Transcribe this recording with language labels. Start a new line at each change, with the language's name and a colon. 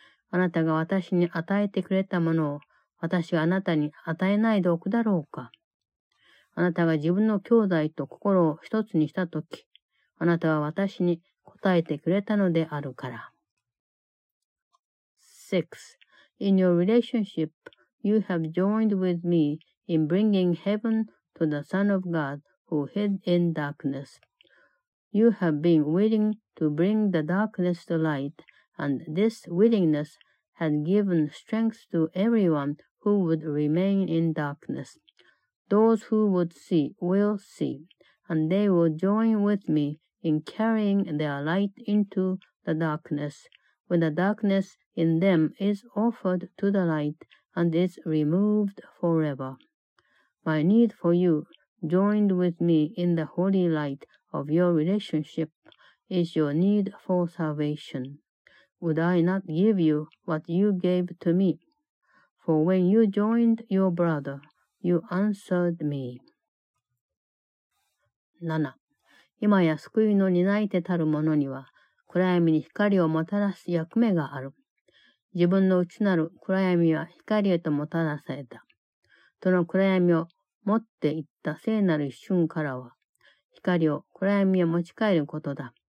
Japanese: あなたが私に与えてくれたものを、私があなたに与えないでおくだろうか。あなたが自分の兄弟と心を一つにしたとき、あなたは私に答えてくれたのであるから。 6.
English: In your relationship, you have joined with me in bringing heaven to the Son of God. Who hid in darkness. You have been willing to bring the darkness to light, and this willingness had given strength to everyone who would remain in darkness. Those who would see will see, and they will join with me in carrying their light into the darkness, when the darkness in them is offered to the light and is removed forever. My need for you. Joined with me in the holy light of your relationship is your need for salvation. Would I not give you what you gave to me? For when you joined your brother, you answered me. 7.
Japanese: 今や救いの担い手たる者には、暗闇に光をもたらす役目がある。自分の内なる暗闇は光へともたらされた。その暗闇を持っていった聖なる一瞬からは、光を暗闇へ持ち帰ることだ。